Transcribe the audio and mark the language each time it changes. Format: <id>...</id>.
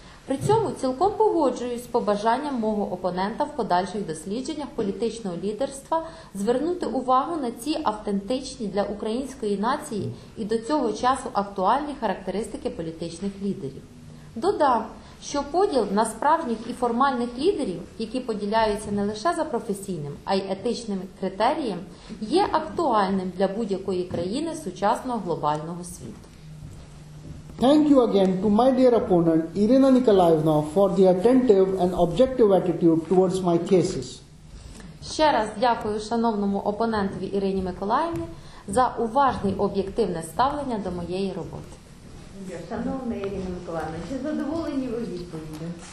<uk>При цьому цілком погоджуюсь з побажанням мого опонента в подальших дослідженнях політичного лідерства звернути увагу на ці автентичні для української нації і до цього часу актуальні характеристики політичних лідерів. Додам, що поділ на справжніх і формальних лідерів, які поділяються не лише за професійним, а й етичним критерієм, є актуальним для будь-якої країни сучасного глобального світу.</uk> <en>Thank you again to my dear opponent, Irina Nikolaevna, for the attentive and objective attitude towards my thesis.</en> <uk>Ще раз дякую шановному опонентові Ірині Миколаївні за уважне і об'єктивне ставлення до моєї роботи. Шановна Ірина Миколаївна, чи задоволені ви відповіддю?</uk>